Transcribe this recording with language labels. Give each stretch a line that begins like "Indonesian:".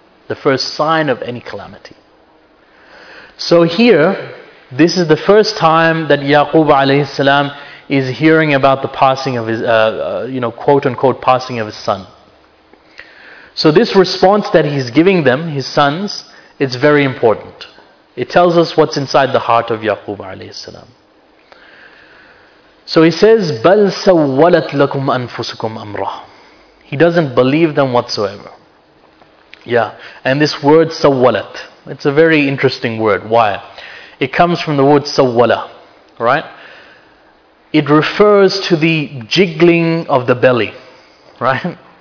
English: The first sign of any calamity. So here, this is the first time that Yaqub alayhi salam is hearing about the passing of his, quote unquote, passing of his son. So this response that he's giving them, his sons, it's very important. It tells us what's inside the heart of Yaqub alayhi salam. So he says,
Arabic: بَلْ سَوَّلَتْ لَكُمْ أَنفُسُكُمْ أَمْرًا.
English: He doesn't believe them whatsoever. Yeah, and this word sawwalat, it's a very interesting word. Why? It comes from the word sawwala, right? It refers to the jiggling of the belly, right?